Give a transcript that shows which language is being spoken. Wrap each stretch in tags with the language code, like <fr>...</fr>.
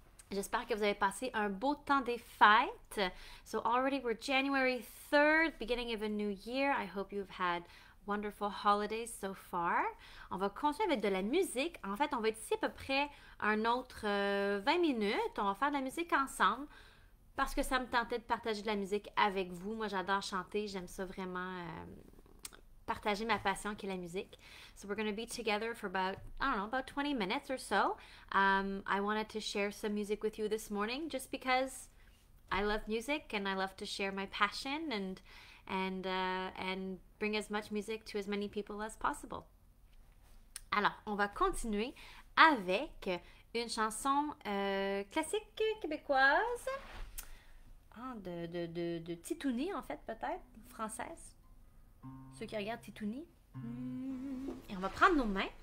<fr>J'espère que vous avez passé un beau temps des fêtes.</fr> <en>So already we're January 3rd, beginning of a new year. I hope you've had wonderful holidays so far.</en> <fr>On va continuer avec de la musique. En fait, on va être ici à peu près un autre 20 minutes. On va faire de la musique ensemble parce que ça me tentait de partager de la musique avec vous. Moi, j'adore chanter. J'aime ça vraiment partager ma passion qui est la musique.</fr> <en>So we're going to be together for about, I don't know, about 20 minutes or so. I wanted to share some music with you this morning just because I love music and I love to share my passion and bring as much music to as many people as possible.</en> <fr>Alors, on va continuer avec une chanson classique québécoise de Titouni en fait, peut-être, française. Ceux qui regardent Titouni. Et on va prendre nos mains.</fr>